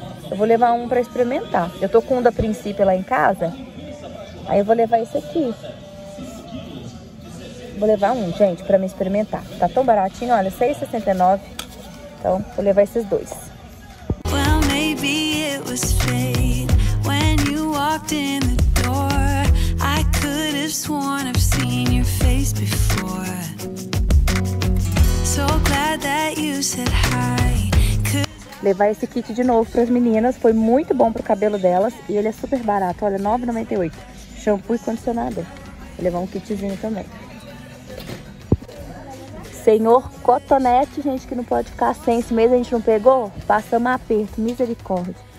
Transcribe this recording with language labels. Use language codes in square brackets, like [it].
[pt] Eu vou levar um pra experimentar. Eu tô com um da Princípio lá em casa. Aí eu vou levar esse aqui. Vou levar um, gente, pra me experimentar. Tá tão baratinho, olha, R$6,69. Então, vou levar esses dois. [en] Well, maybe it was fate. When you walked in the door, I could have sworn I've seen your face before. So glad that you said hi. [pt] Levar esse kit de novo para as meninas. Foi muito bom para o cabelo delas. E ele é super barato. Olha, R$9,98. Shampoo e condicionador. Vou levar um kitzinho também. Senhor cotonete, gente, que não pode ficar sem. Esse mês a gente não pegou? Passamos aperto. Misericórdia.